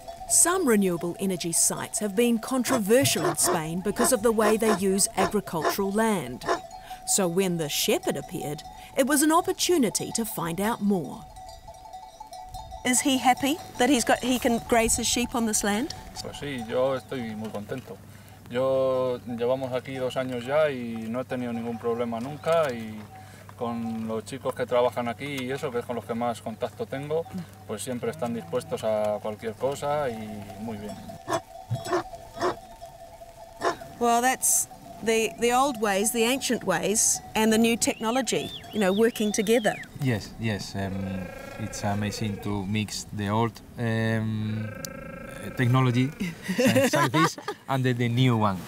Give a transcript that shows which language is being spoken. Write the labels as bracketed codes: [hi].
[en] Some renewable energy sites have been controversial in Spain because of the way they use agricultural land. So when the shepherd appeared, it was an opportunity to find out more. Is he happy that he can graze his sheep on this land? [es] Pues sí, yo estoy muy contento. Yo llevamos aquí 2 años ya y no he tenido ningún problema nunca y con los chicos que trabajan aquí y eso que es con los que más contacto tengo, pues siempre están dispuestos a cualquier cosa y muy bien. [en] Well, that's the old ways, the ancient ways, and the new technology, you know, working together. Yes. It's amazing to mix the old technology like this and the new one.